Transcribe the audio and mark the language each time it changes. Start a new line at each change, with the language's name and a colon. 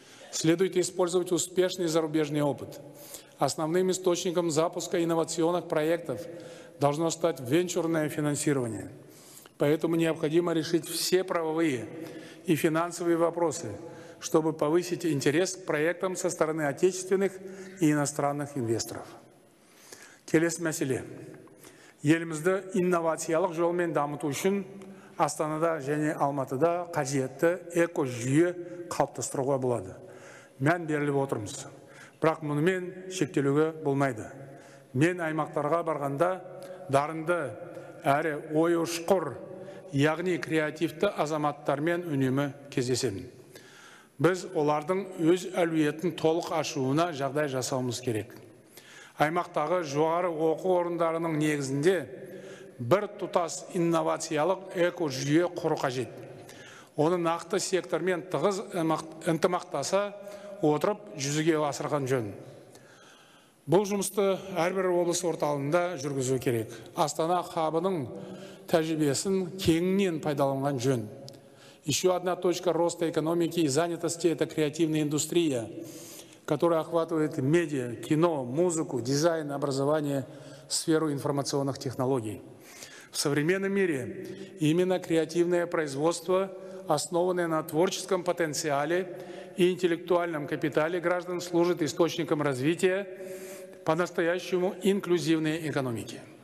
Russian: Следует использовать успешный зарубежный опыт. Основным источником запуска инновационных проектов должно стать венчурное финансирование. Поэтому необходимо решить все правовые и финансовые вопросы, чтобы повысить интерес к проектам со стороны отечественных и иностранных инвесторов.
Kazakh: Келес мәселе. Елімізді инновациялық жолмен дамыту үшін Астанада және Алматыда қажетті эко-жүйе қалыптастыруға болады. Мән беріліп отырмыз. Бірақ мұнымен шектелуге болмайды. Мен аймақтарға барғанда дарынды әрі ой ұшқыр, яғни креативті азаматтармен үнемі кездесемін. Біз олардың өз әлеуетін толық ашуына жағдай жасауымыз керек. Аймақтағы жоғары оқу орындарының негізінде бір тұтас инновациялық эко-жүйе құру қажет. оны нақты сектормен тығыз ынтымақтаса отырып жүзеге асырған жөн. Бұл жұмысты әрбір облыс орталығында жүргізу керек. Астана хабының тәжірибесін кеңінен пайдаланған жөн.
Russian: Еще одна точка роста экономики и занятости – это креативная индустрия, которая охватывает медиа, кино, музыку, дизайн, образование, сферу информационных технологий. В современном мире именно креативное производство, основанное на творческом потенциале и интеллектуальном капитале граждан, служит источником развития по-настоящему инклюзивной экономики.